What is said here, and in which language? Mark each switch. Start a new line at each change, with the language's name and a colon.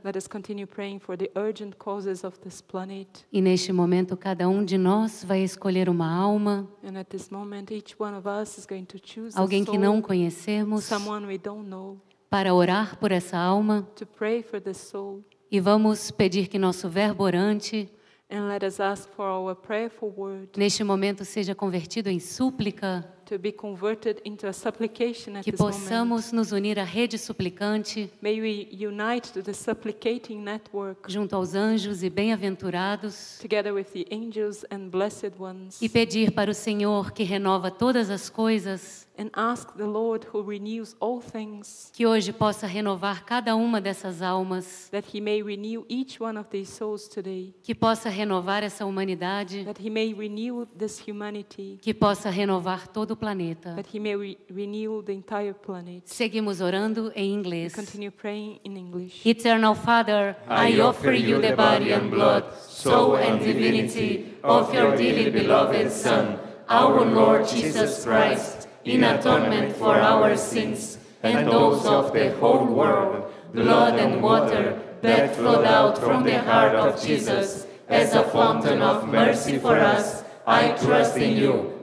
English: Let us continue praying for the urgent causes of this planet.
Portuguese: E neste momento cada um de nós vai escolher uma alma.
English: And at this moment each one of us is going to choose a soul.
Portuguese: Alguém que não conhecemos.
English: Someone we don't know.
Portuguese: Para orar por essa alma.
English: To pray for this soul.
Portuguese: E vamos pedir que nosso verbo orante
English: and let us ask for our prayerful word,
Portuguese: neste momento seja convertido em súplica
English: to be converted into a supplication at
Portuguese: que possamos nos unir à rede suplicante
English: may we unite to the supplicating network,
Portuguese: junto aos anjos e bem-aventurados
English: together with the angels and blessed ones,
Portuguese: e pedir para o Senhor que renova todas as coisas
English: and ask the Lord who renews all things,
Portuguese: que hoje possa renovar cada uma dessas almas,
English: that he may renew each one of these souls today,
Portuguese: que possa renovar essa humanidade,
English: that he may renew this humanity,
Portuguese: que possa renovar todo o planeta,
English: that he may renew the entire planet.
Portuguese: Seguimos orando em inglês.
English: We continue praying in English. Eternal Father, I offer you the body and blood, soul and divinity of your dearly beloved Son, our Lord Jesus Christ, in atonement for our sins and those of the whole world, blood and water that flowed out from the heart of Jesus as a fountain of mercy for us, I trust in you.